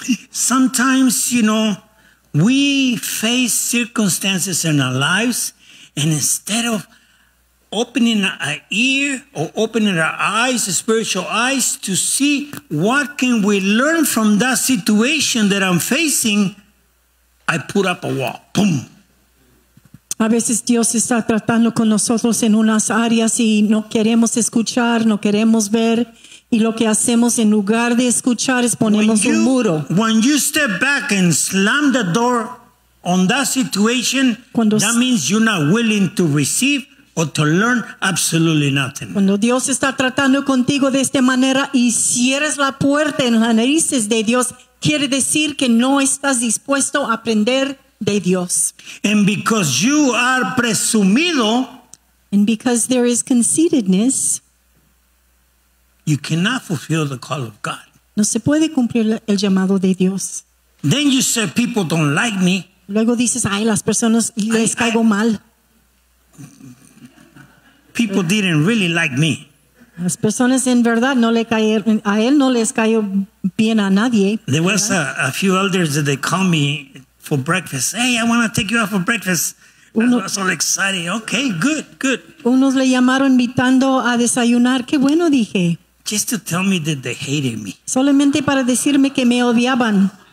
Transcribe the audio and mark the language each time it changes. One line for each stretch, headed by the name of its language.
English: Sometimes, you know, we face circumstances in our lives, and instead of opening our ear or opening our eyes, spiritual eyes, to see what can we learn from that situation that I'm facing, I put up a wall. Boom.
Spanish: A veces Dios está tratando con nosotros en unas áreas y no queremos escuchar, no queremos ver. Y lo que hacemos en lugar de escuchar es ponemos un muro.
English: When you step back and slam the door on that situation, that means you're not willing to receive or to learn absolutely nothing.
Spanish: Cuando Dios está tratando contigo de esta manera y cierras la puerta en las narices de Dios, quiere decir que no estás dispuesto a aprender de Dios.
English: And because you are presumido, and because there is conceitedness, you cannot fulfill the call of God.
Spanish: No se puede cumplir el llamado de Dios.
English: Then you say people don't like me.
Spanish: Luego dices, ay, las personas les caigo mal.
English: People didn't really like me.
Spanish: Las personas en verdad no le cayeron, a él no les cayó bien a nadie.
English: There was a few elders that they called me for breakfast. Hey, I want to take you out for breakfast. Uno, I was all excited. Okay, good.
Spanish: Unos le llamaron invitando a desayunar. Qué bueno, dije.
English: Just to tell me that they hated me.
Spanish: Solamente para decirme que me odiaban.